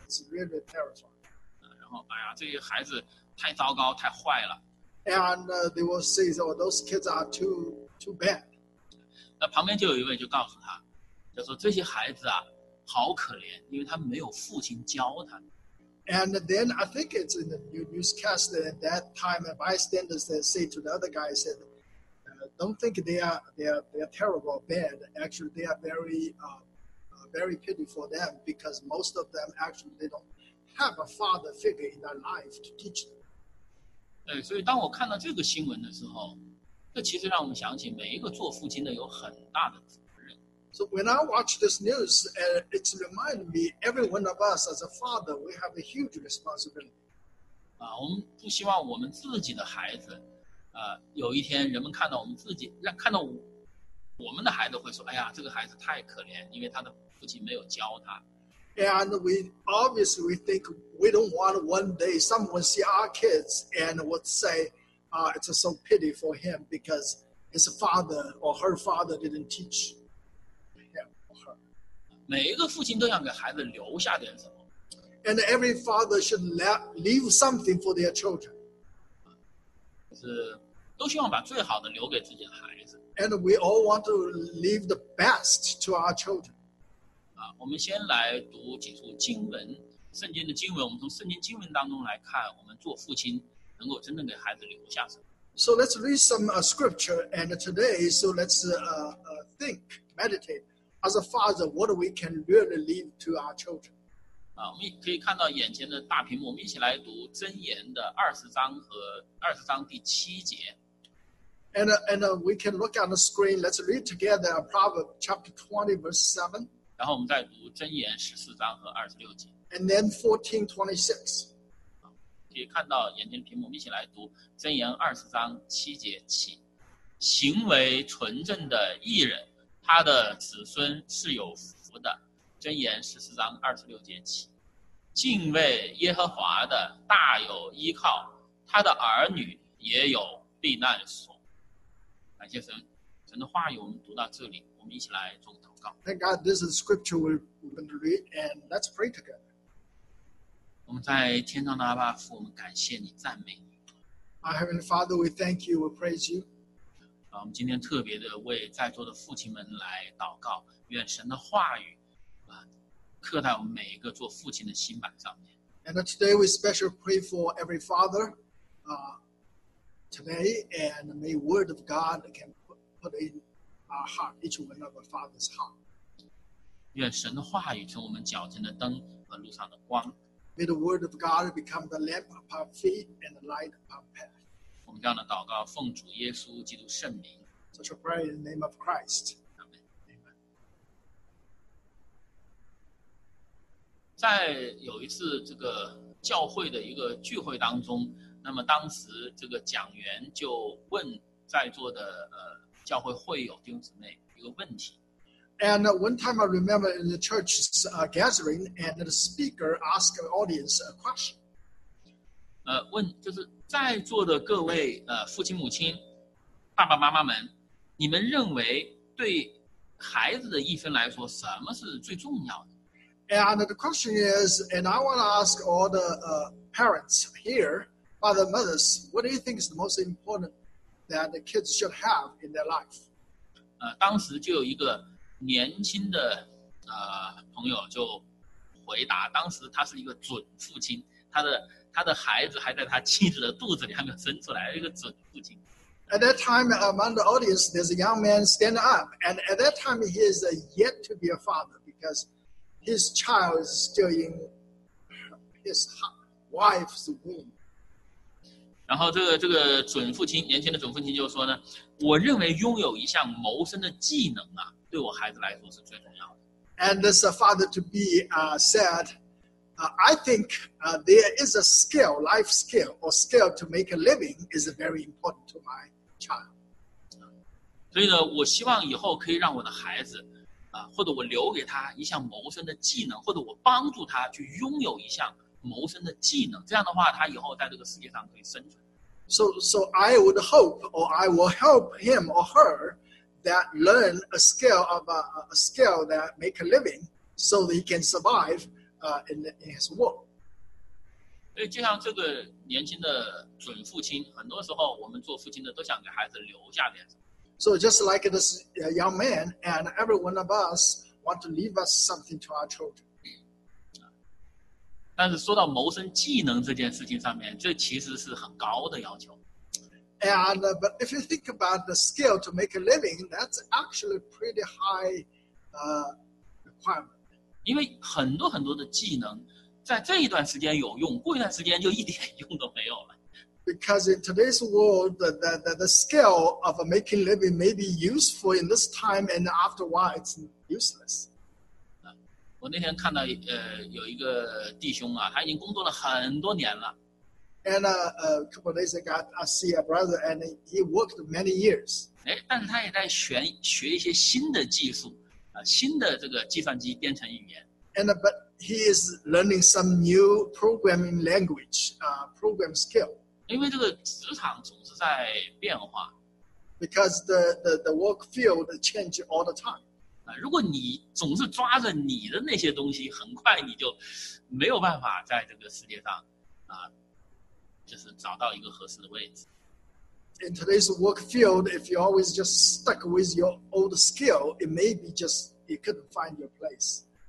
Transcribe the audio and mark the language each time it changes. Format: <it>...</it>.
<en>It's really terrifying.</en> <zh>然后哎呀，这些孩子太糟糕，太坏了。</zh> <en>And they will say, oh, those kids are too bad.</en> <zh>那旁边就有一位就告诉他，就说这些孩子啊，好可怜，因为他们没有父亲教他。</zh> <en>And then I think it's in the newscast at that time, a bystander said to the other guy, said,Don't think they are terrible or bad. Actually, they are very, very pitiful for them because most of them actually they don't have a father figure in their life to teach them.</en> <zh>对，所以当我看到这个新闻的时候，这其实让我们想起每一个做父亲的有很大的责任。</zh> <en>So when I watch this news, it reminds me every one of us as a father, we have a huge responsibility.</en> <zh>啊，我们不希望我们自己的孩子。有一天人们看到我们自己，看到我们的孩子会说，哎呀，这个孩子太可怜，因为他的父亲没有教他。</zh> <en>And we obviously we think we don't want one day someone see our kids and would say, it's so pity for him because his father or her father didn't teach him or her.</en> <zh>每一个父亲都想给孩子留下点什么。</zh> <en>And every father should leave something for their children.</en> <zh>都希望把最好的留给自己的孩子。</zh> <en>And we all want to leave the best to our children.</en> <zh>我们先来读几处经文，圣经的经文，我们从圣经经文当中来看，我们做父亲能够真正给孩子留下什么。</zh> <en>So let's read some scripture, and today, so let's think, meditate, as a father, what we can really leave to our children.</en> <zh>我们可以看到眼前的大屏幕，我们一起来读箴言的二十章第七节。</zh> <en>And we can look on the screen. Let's read together Proverbs chapter 20 verse 7.</en> <zh>然后我们再读箴言十四章和二十六节。</zh> <en>And then 14:26.</en> <zh>可以看到眼前屏幕，我们一起来读箴言二十章七节起。行为纯正的义人，他的子孙是有福的。箴言十四章二十六节起，敬畏耶和华的大有依靠，他的儿女也有避难所。感谢神，神的话语我们读到这里，我们一起来做个祷告。</zh> <en>Thank God, this is scripture we're going to read, and let's pray together.</en> <zh>我们在天上的阿爸父，我们感谢你，赞美你。</zh> <en>Our Heavenly Father, we thank you, we praise you.</en> <zh>我们今天特别的为在座的父亲们来祷告，愿神的话语。刻在我们每一个做父亲的心板上面。</zh> <en>And today we special pray for every father, today, and may word of God can put in our heart, each one of our father's heart.</en> <zh>愿神的话语成我们脚前的灯和路上的光。</zh> <en>May the word of God become the lamp upon our feet and the light upon our path.</en> <zh>我们这样的祷告奉主耶稣基督圣名。</zh> <en>Such a prayer in the name of Christ.</en> <zh>在有一次这个教会的一个聚会当中，那么当时这个讲员就问在座的教会会友弟兄姊妹一个问题。</zh> <en>And one time I remember in the church's gathering, and the speaker asked the audience a question.</en> <zh>问就是在座的各位父亲母亲、爸爸妈妈们，你们认为对孩子的一生来说，什么是最重要的？</zh> <en>And the question is, and I want to ask all the parents here, father mothers, what do you think is the most important that the kids should have in their life?</en> <zh>当时就有一个年轻的朋友就回答，当时他是一个准父亲，他的孩子还在他妻子的肚子里还没有生出来，一个准父亲。</zh> <en>At that time, among the audience, there's a young man standing up, and at that time, he is yet to be a father because his child is still in his wife's womb.</en> <zh>然后这个准父亲，年轻的准父亲就说呢，我认为拥有一项谋生的技能啊，对我孩子来说是最重要的。</zh> <en>And this father-to-be said, I think there is a skill, life skill, or skill to make a living is very important to my child.</en> <zh>所以呢，我希望以后可以让我的孩子或者我留给他一项谋生的技能，或者我帮助他去拥有一项谋生的技能，这样的话他以后在这个世界上可以生存。</zh> <en>So I would hope, or I will help him or her that learn a skill of a skill that make a living so that he can survive in his work.</en> <zh>所以就像这个年轻的准父亲，很多时候我们做父亲的都想给孩子留下点什么。</zh> <en>So just like this young man, and every one of us want to leave us something to our children.</en> <zh>但是说到谋生技能这件事情上面，这其实是很高的要求。</zh> <en>And but if you think about the skill to make a living, that's actually pretty high requirement.</en> <zh>因为很多很多的技能在这一段时间有用，过一段时间就一点用都没有了。</zh> <en>Because in today's world, the skill of making living may be useful in this time, and after a while, it's useless.</en> <zh>我那天看到有一个弟兄啊，他已经工作了很多年了。</zh> <en>And a couple of days ago, I see a brother, and he worked many years.</en> <zh>哎，但是他也在学一些新的技术，新的这个计算机编程语言。</zh> <en>And but he is learning some new programming language, program skill.</en> <zh>因为这个职场总是在变化。</zh> <en>Because the work field change all the time.</en> <zh>如果你总是抓着你的那些东西，很快你就没有办法在这个世界上就是找到一个合适的位置。</zh> <en>In today's work field, if you're always just stuck with your old skill, it may be just you couldn't find your place.</en>